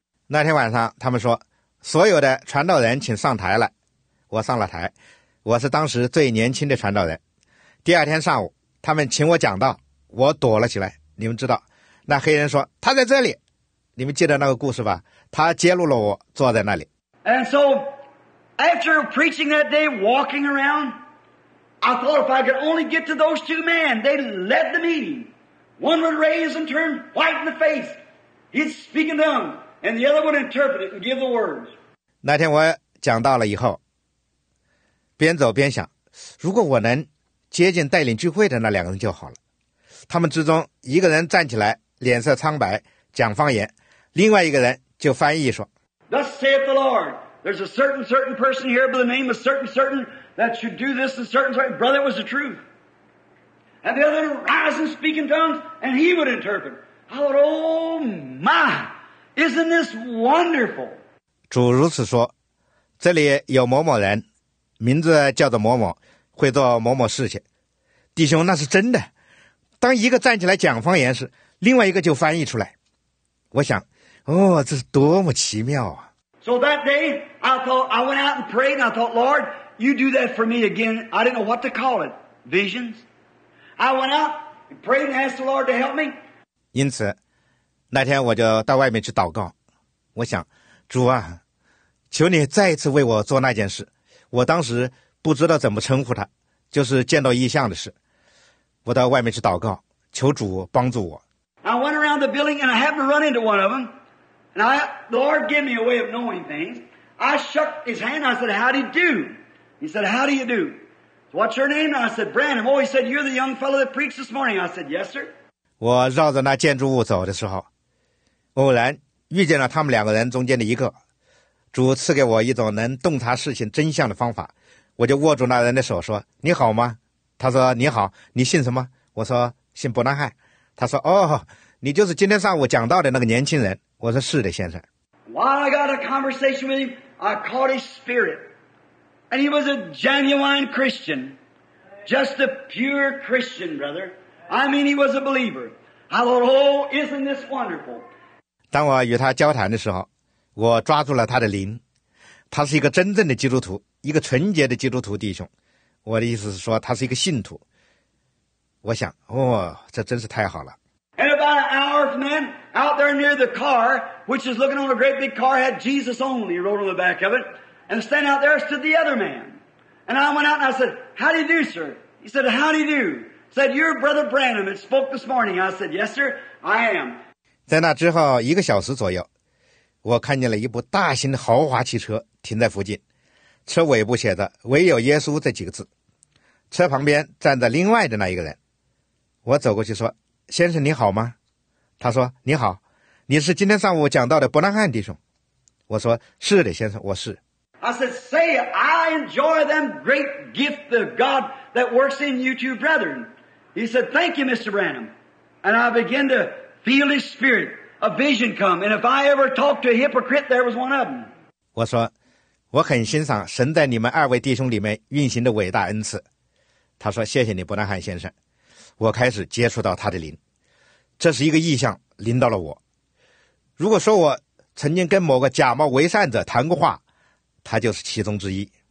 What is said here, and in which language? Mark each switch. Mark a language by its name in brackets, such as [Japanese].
[Chinese] 那天晚上他们说，所有的传道人请上台来。我上了台，我是当时最年轻的传道人。第二天上午他们请我讲道，我躲了起来。你们知道那黑人说他在这里，你们记得那个故事吧，他揭露了我坐在那里。 [English] And so after preaching that day, walking around, I thought if I could only get to those two men, they led the meeting. One would raise and turn white in the face, he'd speak in tongues, and the other would interpret it and give the words. [Chinese] 那天我讲道了以后边走边想，如果我能接近带领聚会的那两个人就好了。他们之中一个人站起来脸色苍白讲方言，另外一个人就翻译说， [English] Thus saith the Lord, there's a certain person here by the name of certain that should do this, and certain brother was the truth. And the other rise and speak in tongues, and he would interpret. I thought, oh my, isn't this wonderful? [Chinese] 主如此说，这里有某某人，名字叫做某某，会做某某事情。弟兄，那是真的。当一个站起来讲方言时，另外一个就翻译出来。我想，哦，这是多么奇妙啊。 [English] So that day, I thought, I went out and prayed, and I thought, Lord, you do that for me again. I didn't know what to call it. Visions. I went out and prayed and asked the Lord to help me. [Chinese] 因此，那天我就到外面去祷告。我想，主啊，求你再一次为我做那件事。我当时不知道怎么称呼他，就是见到异象的事。我到外面去祷告，求主帮助我。 [English] I went around the building and I happened to run into one of them. And I, the Lord gave me a way of knowing things. I shook his hand. I said, how do you do? He said, how do you do? What's your name? And I said, Branham. Oh, he said, you're the young fellow that preached this morning. I said, yes, sir. [Chinese] 我绕着那建筑物走的时候，偶然遇见了他们两个人中间的一个。主赐给我一种能洞察事情真相的方法，我就握住那人的手说，你好吗？他说，你好，你姓什么？我说，姓伯纳汉。他说，哦，你就是今天上午讲到的那个年轻人。我说，是的，先生。 [English] While I got a conversation with him, I caught his spirit. And he was a genuine Christian. Just a pure Christian, brother. I mean, he was a believer. I thought, oh, isn't this wonderful? [Chinese] 当我与他交谈的时候，我抓住了他的灵，他是一个真正的基督徒，一个纯洁的基督徒弟兄。我的意思是说，他是一个信徒。我想，哦，这真是太好了。 [English] And about an hour from then, out there near the car, which is looking on a great big car, had Jesus only wrote on the back of it, and standing out there stood the other man. And I went out and I said, "How do you do, sir?" He said, "How do you do?" Said, "You're Brother Branham that spoke this morning." I said, "Yes, sir, I am." [Chinese] 在那之后一个小时左右，我看见了一部大型的豪华汽车停在附近，车尾部写着“唯有耶稣”这几个字，车旁边站着另外的那一个人。我走过去说：“先生你好吗？” 他说：“你好，你是今天上午讲到的伯南汉弟兄。” 我说：“是的，先生，我是。” [English] I said, "Say, I enjoy them great gift of God that works in you two brethren." He said, "Thank you, Mr. Branham." And I begin to feel his spirit, a vision come. And if I ever talked to a hypocrite, there was one of them. [Chinese] 我说，我很欣赏神在你们二位弟兄里面运行的伟大恩赐。他说，谢谢你，伯南汉先生。我开始接触到他的灵，这是一个异象临到了我。如果说我曾经跟某个假冒为善者谈过话，他就是其中之一。